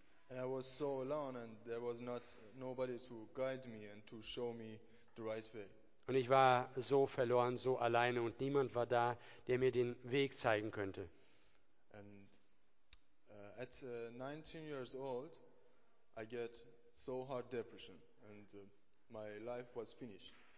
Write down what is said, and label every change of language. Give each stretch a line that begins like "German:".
English: And I was so alone and there was not nobody to guide me and to show me the right way.
German: Und ich war so verloren, so alleine, und niemand war da, der mir den Weg zeigen könnte.
English: And at 19 years old, I get so hard depression, and my life was finished.